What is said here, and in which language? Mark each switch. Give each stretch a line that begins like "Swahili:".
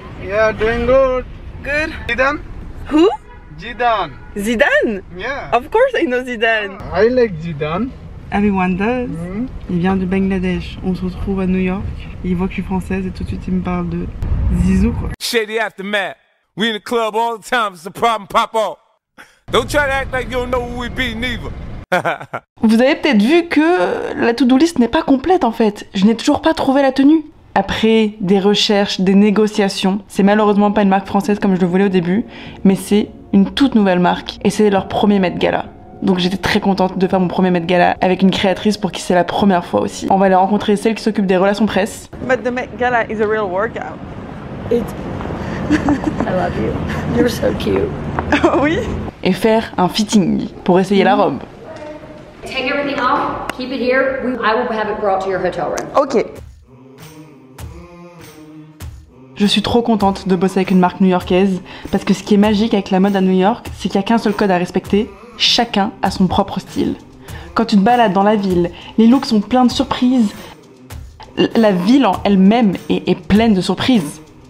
English: Yeah, doing good. Good. Zidane? Who? Zidane. Zidane? Yeah. Of course I know Zidane. I like Zidane. Everyone does. Mm-hmm.
French: Il vient du Bangladesh. On se retrouve à New York. Il voit que je suis française et tout de suite il me parle de Zizou quoi.
English: Shady aftermath. We in the club all the time. It's a problem pop up. Don't try to act like you don't know who we be neither.
French: Vous avez peut-être vu que la to-do list n'est pas complète en fait. Je n'ai toujours pas trouvé la tenue. Après des recherches, des négociations, c'est malheureusement pas une marque française comme je le voulais au début, mais c'est une toute nouvelle marque et c'est leur premier Met Gala. Donc j'étais très contente de faire mon premier Met Gala avec une créatrice pour qui c'est la première fois aussi. On va aller rencontrer celle qui s'occupe des relations presse.
English: But the Met Gala is a real workout. It... I love you. You're so cute.
French: Oui. Et faire un fitting pour essayer la robe.
English: Take everything off, keep it here. I will have it brought to your hotel room. Ok.
French: Je suis trop contente de bosser avec une marque new-yorkaise parce que ce qui est magique avec la mode à New York, c'est qu'il n'y a qu'un seul code à respecter. Chacun a son propre style. Quand tu te balades dans la ville, les looks sont pleins de surprises. La ville en elle-même est pleine de surprises.